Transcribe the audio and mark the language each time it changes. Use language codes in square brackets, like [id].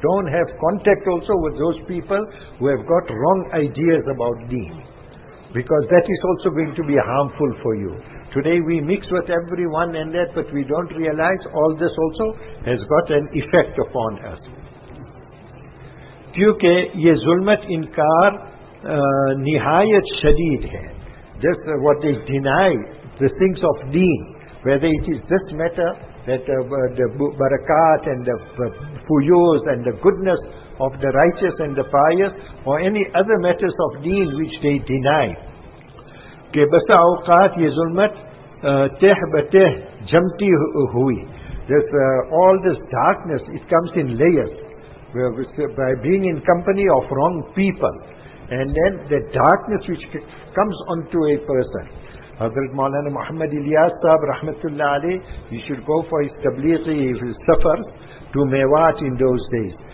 [en] Don't have contact also with those people who have got wrong ideas about deen, because that is also going to be harmful for you. Today we mix with everyone and that, but we don't realize all this also has got an effect upon us. [ur] کیونکہ یہ ظلمت انکار نہایت شدید ہے. [en] Just what they deny, the things of deen, whether it is this matter, that the barakat and the fuyuz and the goodness of the righteous and the pious, or any other matters of deen which they deny. [ur] کہ بسا اوقات یہ ظلمت تہ بتہ جمتی ہوئی. [en] This, all this darkness, it comes in layers. By being in company of wrong people, and then the darkness which comes onto a person. Hazrat Maulana Muhammad Ilyas Sahab Rahmatullah Ali, he should go for his tablighi, if he suffered, to Mewat in those days.